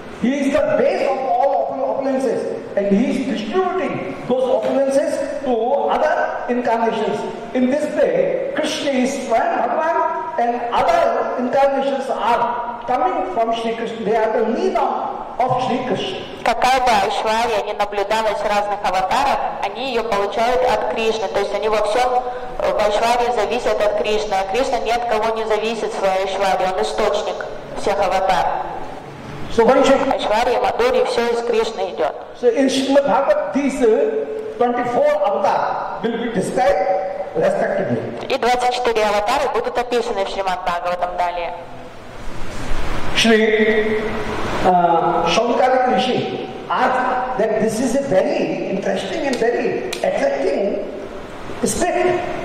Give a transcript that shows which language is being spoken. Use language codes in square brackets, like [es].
[en] He is the base of all opulences, and he is distributing those opulences to other incarnations. In this way, Krishna is Swayam Bhagavan, and other incarnations are coming from Shri Krishna. They are the leela of Shri Krishna. [ru] Какая бы Айшвария ни наблюдалась в разных аватарах, они ее получают от Кришны. То есть они во всем в Айшварии зависят от Кришны. А Кришна ни от кого не зависит в своей Айшварии. Он источник всех аватар. [en] So, [ru] Айшвария, Мадури, все из Кришны идет. [en] So in Srimad Bhagavatam, these 24 avatar will be described respectively. [ru] И 24 аватары будут описаны в Шримад Бхагаватам далее. [en] Shri Shankara Rishi asked that this is a very interesting and very attracting spirit.